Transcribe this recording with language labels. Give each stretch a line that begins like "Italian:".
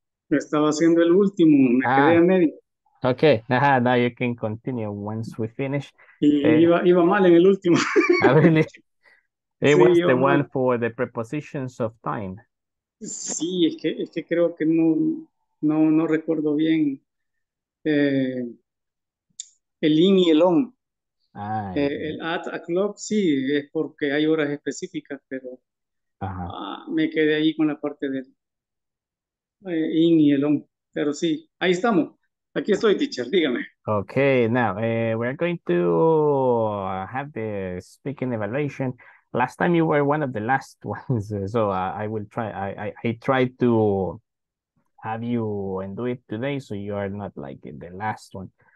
Spanish: Estaba haciendo el último, me quedé a medio.
English: Okay, now you can continue once we finish.
Spanish: Iba mal en el último.
English: Really? It was the one for the prepositions of time.
Spanish: Sí, es que creo que no recuerdo bien. El in y el on. El at a clock, sí, es porque hay horas específicas, pero me quedé ahí con la parte del in y el on. Pero sí, ahí estamos. Aquí estoy, teacher, dígame.
English: Okay, now, we're going to have the speaking evaluation. Last time you were one of the last ones, so I will try, I tried to have you and do it today, so you are not like the last one.